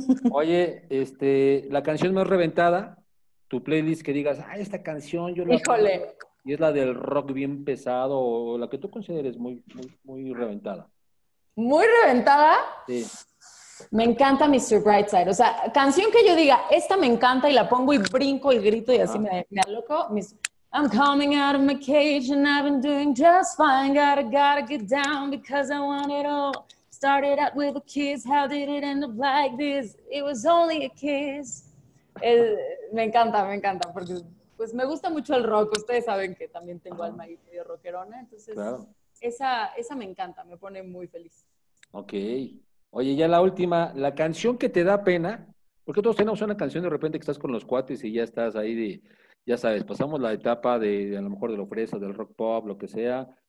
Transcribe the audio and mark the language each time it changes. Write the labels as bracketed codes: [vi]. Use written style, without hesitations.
[es] Oye, la canción más reventada, tu playlist que digas, esta canción yo la... Híjole. Y es la del rock bien pesado o la que tú consideres muy, muy, muy reventada. ¿Muy reventada? Sí. Me encanta Mr. Brightside. O sea, canción que yo diga, esta me encanta y la pongo y brinco y grito y así me aloco. [en] I'm coming out of my cage and I've been doing just fine. Gotta get down because I want it all. Started out with a kiss, how did it end up like this? It was only a kiss. [es] Me encanta, porque pues me gusta mucho el rock. Ustedes saben que también tengo alma y medio rockerona, entonces claro. esa me encanta, me pone muy feliz. Ok. Oye, ya la última, la canción que te da pena, porque todos tenemos una canción de repente que estás con los cuates y ya estás ahí, ya sabes, pasamos la etapa de a lo mejor de lo fresa, del rock pop, lo que sea.